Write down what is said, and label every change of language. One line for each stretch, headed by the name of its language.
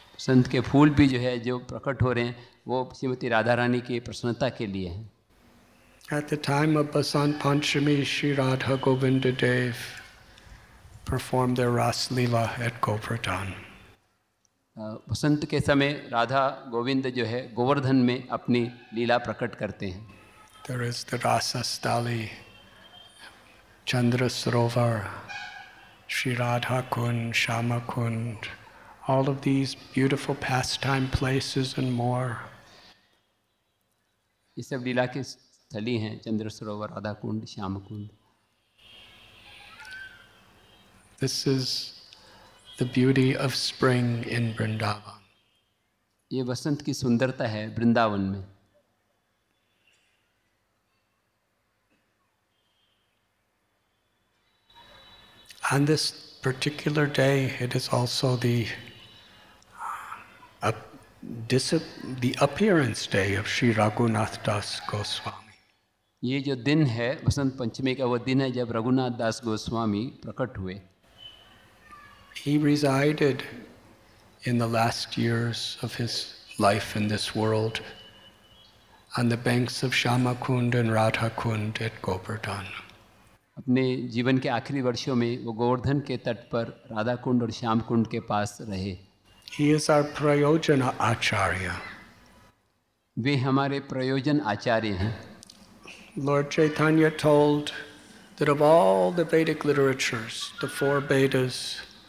Hindi: संत के फूल भी जो है जो प्रकट हो रहे हैं वो श्रीमती राधा रानी की प्रसन्नता के लिए हैं
English: At the time of Basant Panchami, Sri Radha Govinda Dev performed their Rasleela at Govardhan.
Hindi: बसंत के समय राधा गोविंद जो है गोवर्धन में अपनी लीला प्रकट करते हैं
English: There is the Rasastali, Chandra Sarovar, Sri Radha Kund, Shama Kund, all of these beautiful pastime places and more.
Hindi: ये सब लीला के स्थली हैं चंद्र सरोवर राधा कुंड श्याम कुंड
English: This is the beauty of spring in Vrindavan.
Hindi: ये वसंत की सुंदरता है वृंदावन में
English: On this particular day, it is also the appearance day of Sri Raghunath Das Goswami.
Hindi: ये जो दिन है वसंत पंचमी का वो दिन है जब रघुनाथ दास गोस्वामी प्रकट हुए
English: He resided in the last years of his life in this world on the banks of Shama Kund and Radha Kund at Govardhan.
Hindi: अपने जीवन के आखिरी वर्षों में वो गोवर्धन के तट पर राधा कुंड और श्याम कुंड के पास रहे
English: He is our Prayojan Acharya.
Hindi: वे हमारे प्रयोजन आचार्य हैं
English: Lord Chaitanya told that of all the Vedic literatures, the four Vedas,